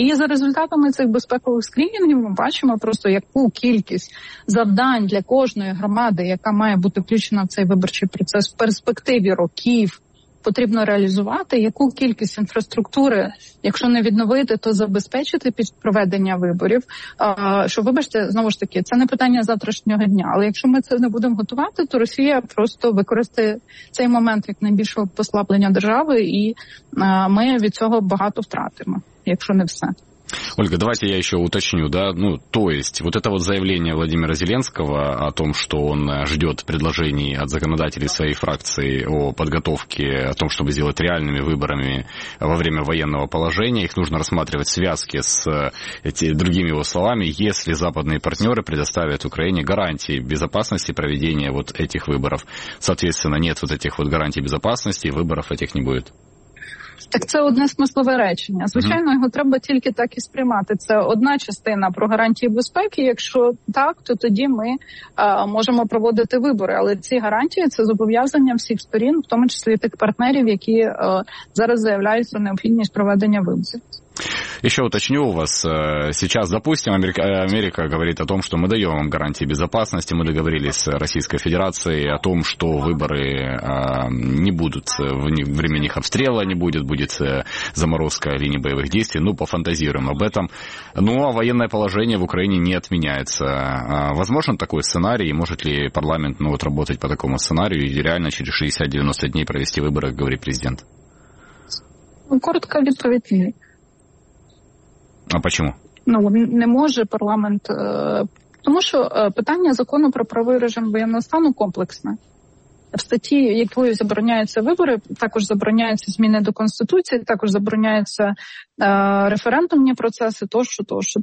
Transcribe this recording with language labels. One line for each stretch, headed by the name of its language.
Ukrainian: І за результатами цих безпекових скринінгів ми бачимо просто, яку кількість завдань для кожної громади, яка має бути включена в цей виборчий процес в перспективі років, потрібно реалізувати, яку кількість інфраструктури, якщо не відновити, то забезпечити під проведення виборів. Що, вибачте, знову ж таки, це не питання завтрашнього дня, але якщо ми це не будемо готувати, то Росія просто використає цей момент як найбільшого послаблення держави, і ми від цього багато втратимо, якщо не все.
Russian: Ольга, давайте я еще уточню, да, ну, то есть, вот это вот заявление Владимира Зеленского о том, что он ждет предложений от законодателей своей фракции о подготовке, о том, чтобы сделать реальными выборами во время военного положения, их нужно рассматривать в связке с другими его словами, если западные партнеры предоставят Украине гарантии безопасности проведения вот этих выборов, соответственно, нет вот этих вот гарантий безопасности, выборов этих не будет.
Ukrainian: Так це одне смислове речення. Звичайно, його треба тільки так і сприймати. Це одна частина про гарантії безпеки. Якщо так, то тоді ми можемо проводити вибори. Але ці гарантії – це зобов'язання всіх сторін, в тому числі тих партнерів, які зараз заявляють про необхідність проведення виборів.
Russian: Еще уточню у вас, сейчас, допустим, Америка говорит о том, что мы даем вам гарантии безопасности, мы договорились с Российской Федерацией о том, что выборы не будут, время их обстрела не будет, будет заморозка линии боевых действий, ну, пофантазируем об этом. Ну, а военное положение в Украине не отменяется. Возможен такой сценарий, может ли парламент, ну, вот, работать по такому сценарию и реально через 60-90 дней провести выборы, говорит президент? Коротко ответить. А почему?
Ukrainian: Ну, не може парламент, тому що питання закону про правовий режим воєнного стану комплексне. В статті, якою забороняються вибори, також забороняються зміни до Конституції, також забороняються референдумні процеси, тощо, тощо.